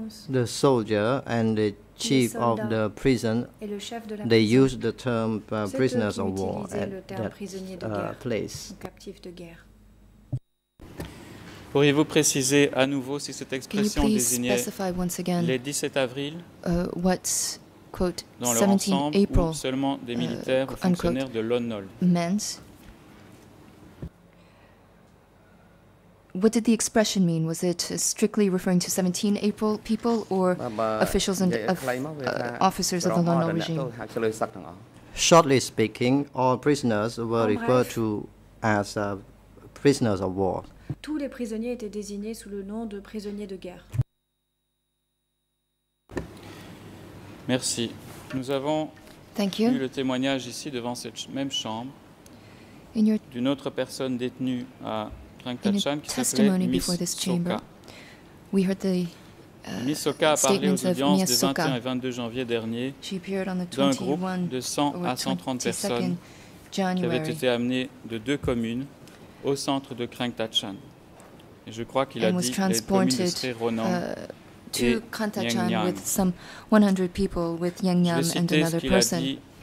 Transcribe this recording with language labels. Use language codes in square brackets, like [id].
[en] The soldier and the chief of the prison, they used the term prisoners of war at that place. [fr] Pourriez-vous préciser à nouveau si cette expression désignait les 17 avril dans leur ensemble ou seulement des militaires ou fonctionnaires de l'ONNOL? [en] What did the expression mean? Was it strictly referring to 17 April people or officials and officers of the Lonnol regime? Shortly speaking, all prisoners were referred to as prisoners of war. [fr] Tous les prisonniers étaient désignés sous le nom de prisonniers de guerre. Merci. Nous avons eu le témoignage ici devant cette même chambre d'une autre personne détenue à [en] In a testimony before this chamber, we heard the statements of Miss Soka. She appeared on the 21st to 22nd January and was transported to Krang Tachan with some 100 people with Yang Yam and another person.